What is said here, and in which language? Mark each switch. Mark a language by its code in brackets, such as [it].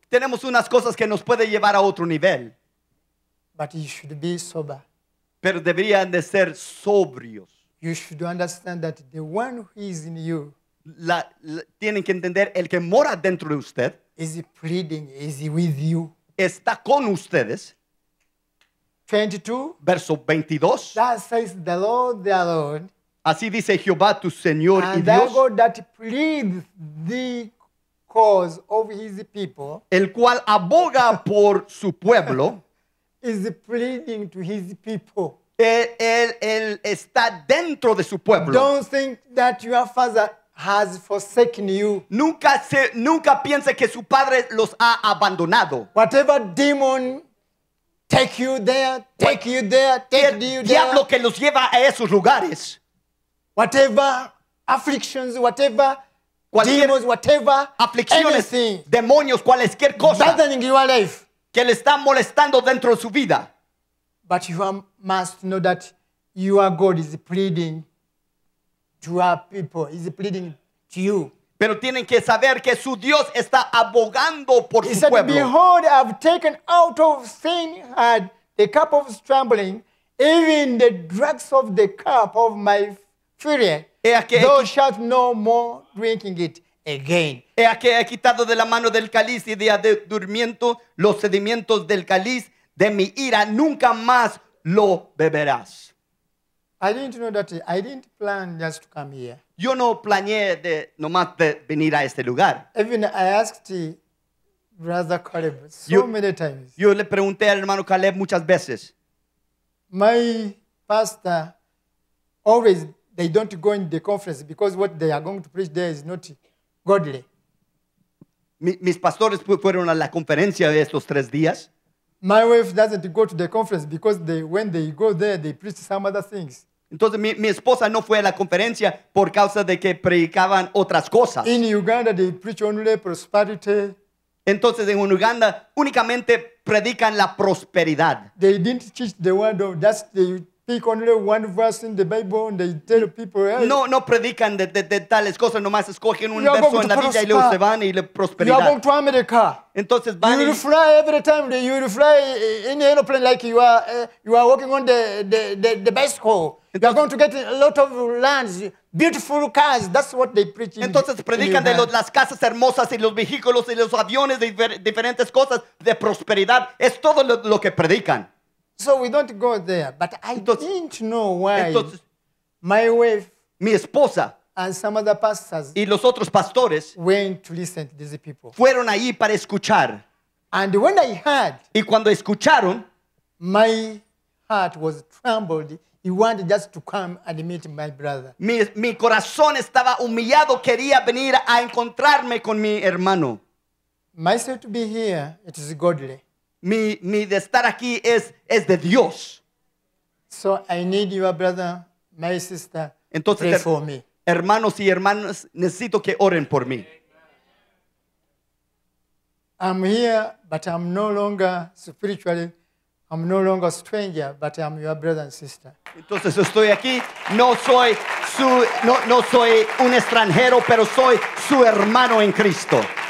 [es] Tenemos unas cosas que nos puede llevar a otro nivel. [en] But you should be sober. [es] Pero deberían de ser sobrios. [en] You should understand that the one who is in you. [es] Tienen que entender el que mora dentro de usted. [en] Is he pleading? Is he with you? [es] Está con ustedes. 22. Verso 22. [en] That says the Lord, the Lord. [es] Así dice Jehová, tu Señor y Dios. [en] And that God that pleads the cause of his people. [es] El cual aboga por su pueblo. [en] Is pleading to his people. [es] Él está dentro de su pueblo. [en] Don't think that your father has forsaken you. [es] Nunca piense que su padre los ha abandonado. [en] Whatever demon take you there, take you there, take you there. [es] Diablo que los lleva a esos lugares. [en] Whatever afflictions, demons, whatever [es] aflicciones, [en] anything, [es] demonios, cualquier cosa [en] bothering your life, [es] que le está molestando dentro de su vida. [en] But you must know that your God is pleading to our people, is pleading to you. [es] Pero tienen que saber que su Dios está abogando por [en] he [es] su [en] said, [es] pueblo. [en] Behold, I've taken out of sin had the cup of stumbling, even the dregs of the cup of my fury. Thou shalt no more drinking it again. [es] He aquí he quitado de la mano del cáliz y de adurmiento los sedimentos del cáliz de mi ira. Nunca más lo beberás. [en] I didn't know that. I didn't plan just to come here. [es] Yo no planeé de nomás de venir a este lugar. [en] Even I asked Brother Caleb many times. [es] Yo le pregunté al hermano Caleb muchas veces. [en] My pastor always they don't go in the conference because what they are going to preach there is not godly. [es] Mis pastores fueron a la conferencia de estos tres días. [en] My wife doesn't go to the conference because they, when they go there, they preach some other things. [es] Entonces, mi esposa no fue a la conferencia por causa de que predicaban otras cosas. [en] In Uganda, they preach only prosperity. [es] Entonces, en Uganda, únicamente predican la prosperidad. [en] They didn't teach the word of that. They speak only one verse in the Bible and they tell people. Hey, [es] no predican de tales cosas. Nomás escogen un verso en la Biblia y luego se van y le prosperidad. [en] You are going to America. [es] Entonces, van [en] you will fly every time. You will fly in the airplane like you are walking on the bicycle. You are going to get a lot of lands, beautiful cars. That's what they preach. [es] Entonces predican de las casas hermosas y los vehículos y los aviones de diferentes cosas de prosperidad. Es todo lo que predican. [en] So we don't go there. But I didn't know why. Entonces, my wife, [es] mi esposa, [en] and some other pastors, [es] y los otros pastores, [en] went to listen to these people. [es] Fueron ahí para escuchar. [en] And when I heard, [es] y cuando escucharon, [en] my heart was trembled. He wanted just to come and meet my brother. [es] Mi corazón estaba humillado. Quería venir a encontrarme con mi hermano. [en] Myself to be here, it is godly. [es] Mi de estar aquí es de Dios. [en] So I need your brother, my sister, entonces, pray for me. [es] Hermanos y hermanas, necesito que oren por mí. [en] I'm here, but I'm no longer spiritually. I'm no longer a stranger, but I'm your brother and sister. [es] Entonces estoy aquí. No soy un extranjero, pero soy su hermano en Cristo.